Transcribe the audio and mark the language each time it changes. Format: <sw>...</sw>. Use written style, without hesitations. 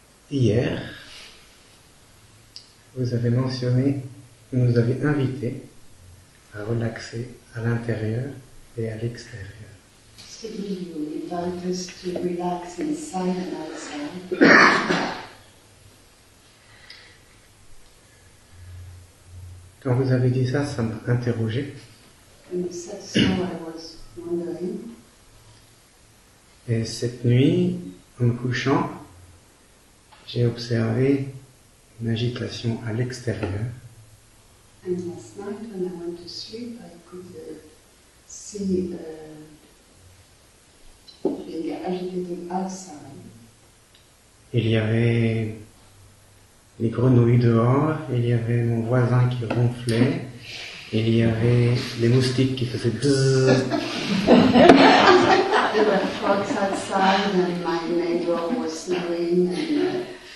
<fr>Hier, vous avez mentionné, vous nous avez invité à relaxer à l'intérieur et à l'extérieur.</fr> <en>Today you invite us to relax inside and outside.</en> <fr>Quand vous avez dit ça, ça m'a interrogé.</fr> <en>When you said so, I was wondering.</en> <fr>Et cette nuit, en me couchant, j'ai observé une agitation à l'extérieur.</fr> <en>And last night when I went to sleep, I could see being agitated outside.</en> <fr>Il y avait les grenouilles dehors, il y avait mon voisin qui ronflait, il y avait les moustiques qui faisaient bzzz.</fr> <en>There were frogs outside and my neighbor was snoring and</en>